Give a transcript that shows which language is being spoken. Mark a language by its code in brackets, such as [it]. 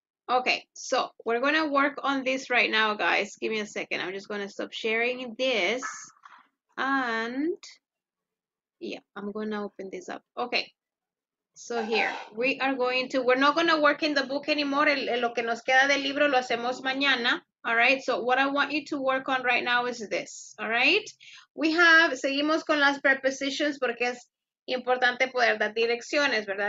[en] Okay, so we're going to work on this right now, guys. Give me a second. I'm just going to stop sharing this. And yeah, I'm going to open this up. Okay, so here we are going to, we're not going to work in the book anymore. [es] Lo que nos queda del libro lo hacemos mañana. [en] All right, so what I want you to work on right now is this. All right, [es] seguimos con las prepositions porque es importante poder dar direcciones, ¿verdad?